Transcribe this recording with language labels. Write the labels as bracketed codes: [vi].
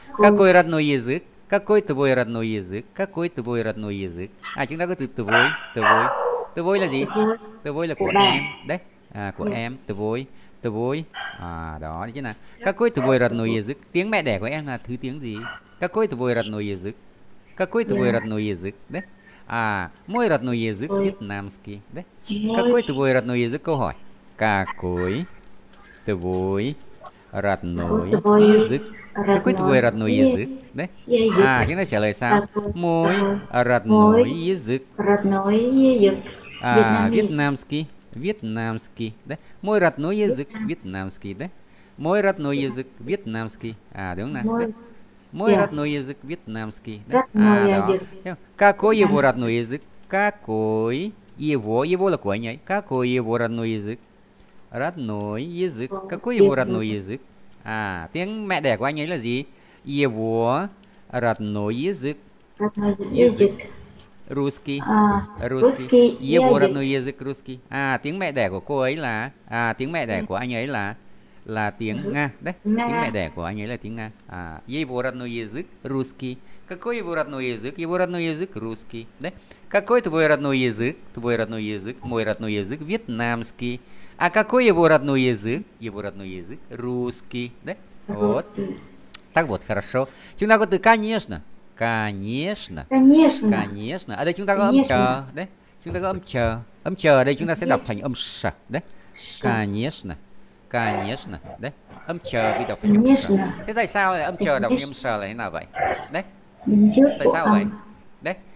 [ru] Какой родной язык? Какой твой родной язык? Какой твой родной язык? [vi] À, chúng ta có từ твой. Твой. Твой là gì? Твой là của em. Đấy. À, của em. Твой. Твой. À, đó. Thế nào? [ru] Какой твой родной язык? [vi] Tiếng mẹ đẻ của em là thứ tiếng gì? [ru] Какой твой родной язык? Какой твой родной язык? Đấy. À, мой родной язык вьетнамский. Đấy. Какой твой родной язык? Câu hỏi. Какой твой родной язык? Какой твой родной язык? Đấy. À, [vi] chúng ta trả lời sao? [ru] Мой родной язык. Родной язык. À, вьетнамский. Вьетнамский. Đấy. Мой родной язык вьетнамский. [vi] Đấy. [ru] Мой родной язык вьетнамский. [vi] À, đúng không? [ru] Мой родной язык вьетнамский. Родной язык. Какой его родной язык? Какой Его лаконья. Какой его родной язык? Родной язык. Какой его родной язык? [vi] À, tiếng mẹ đẻ của anh ấy là gì? [ru] Его родной язык. Язык. Русский. Русский. Его родной язык русский. [vi] À, tiếng mẹ đẻ của cô ấy là à, tiếng mẹ đẻ của anh ấy là tiếng Nga. Đấy, tiếng mẹ đẻ của anh ấy là tiếng Nga. [ru] À, его родной язык русский. Какой его родной язык? Его родной язык русский. Đấy. Какой твой родной язык? Твой родной язык. Мой родной язык вьетнамский. А какой его родной язык? Его родной язык русский, да? Вот. Так вот, хорошо. [vi] Chúng ta có từ конечно. [ru] Конечно. Конечно. [vi] Конечно. А đây chúng ta có âm chờ, да? Chúng ta có âm chờ. Âm chờ đây chúng ta sẽ đọc thành âm ш, да? Конечно. Конечно, да? Âm chờ thì đọc thành âm ш. Thế tại sao lại âm chờ đọc như âm ш là thế nào vậy? Đấy. Tại sao vậy? Đấy.